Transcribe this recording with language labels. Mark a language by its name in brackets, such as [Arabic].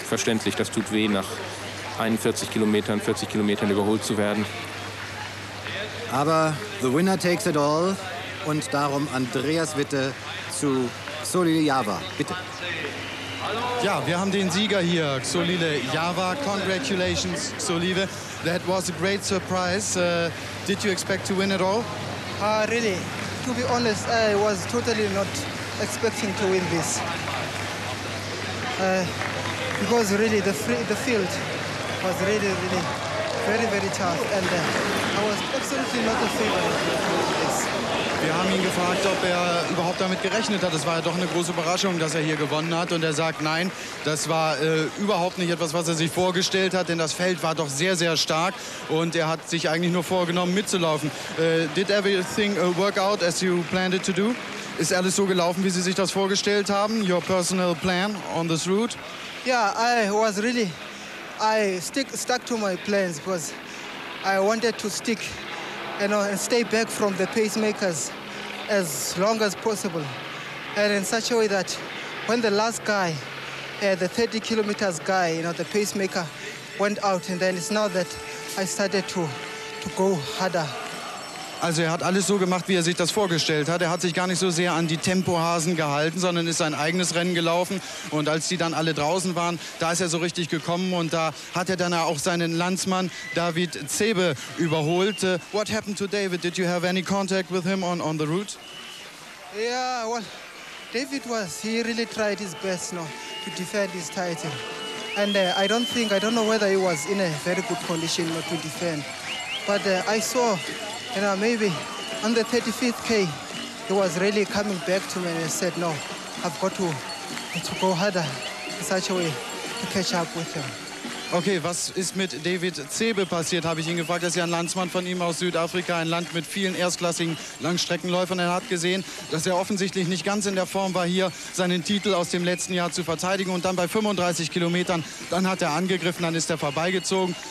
[German] Verständlich, das tut weh, nach 41 Kilometern, 40 Kilometern überholt zu werden. Aber [English] the winner takes it all. [German] Und darum Andreas Witte zu Xolile Java. Bitte. Ja, wir haben den Sieger hier, Xolile Java. [English] Congratulations, Xolile. That was a great surprise. Did you expect to win it all? Really? to be honest, I was totally not expecting to win this. Because really the field was really, really very, very tough. And I was absolutely not a favorite to win this. [German] Wir haben ihn gefragt, ob er überhaupt damit gerechnet hat. Es war ja doch eine große Überraschung, dass er hier gewonnen hat. Und er sagt, nein, das war überhaupt nicht etwas, was er sich vorgestellt hat. Denn das Feld war doch sehr, sehr stark. Und er hat sich eigentlich nur vorgenommen, mitzulaufen. [English] Did everything work out as you planned it to do? [German] Ist alles so gelaufen, wie Sie sich das vorgestellt haben? [English] Your personal plan on this route? Yeah, I stuck to my plans, because I wanted to stick. You know, and stay back from the pacemakers as long as possible. And in such a way that when the last guy, the 30 kilometers guy, you know, the pacemaker went out, and then it's now that I started to go harder. [German] Also er hat alles so gemacht, wie er sich das vorgestellt hat. Er hat sich gar nicht so sehr an die Tempohasen gehalten, sondern ist sein eigenes Rennen gelaufen. Und als die dann alle draußen waren, da ist er so richtig gekommen. Und da hat er dann auch seinen Landsmann David Zebe überholt. [English] What happened to David? Did you have any contact with him on the route? Yeah, well, David was, he really tried his best, you know, to defend his title. And I don't know whether he was in a very good condition not to defend. But I saw, you know, maybe on the 35th K, he was really coming back to me and said, no, I've got to go harder in such a way to catch up with him. [German] Okay, was ist mit David Zebe passiert, habe ich ihn gefragt. Das ist ja ein Landsmann von ihm aus Südafrika, ein Land mit vielen erstklassigen Langstreckenläufern. Er hat gesehen, dass er offensichtlich nicht ganz in der Form war, hier seinen Titel aus dem letzten Jahr zu verteidigen. Und dann bei 35 Kilometern, dann hat er angegriffen, dann ist er vorbeigezogen.